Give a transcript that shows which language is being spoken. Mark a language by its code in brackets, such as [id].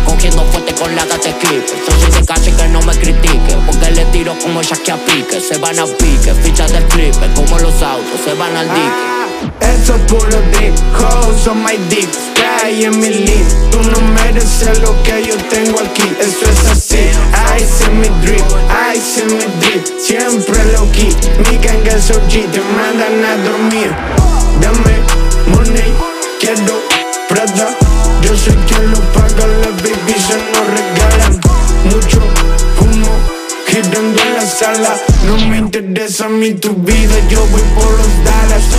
[es] Cogiendo fuerte con la gata esquite. Yo soy de calle que no me critique. Porque le tiro como ya que a pique. Se van a pique, fichas de flipper. Como los autos, se van al dique. Eso es puro dick, [en] hoes on my dick, sky in my lip. [es] Tú no mereces lo que yo tengo aquí, eso es así. [en] Ice in my drip, ice in my drip. [es] Siempre low key, mi gang es OG, te mandan a dormir. Dame money, quiero Prada. Yo soy quien lo paga, las babies se nos regalan. Mucho humo, girando en la sala. No me interesa a mí tu vida, yo voy por los Dallas.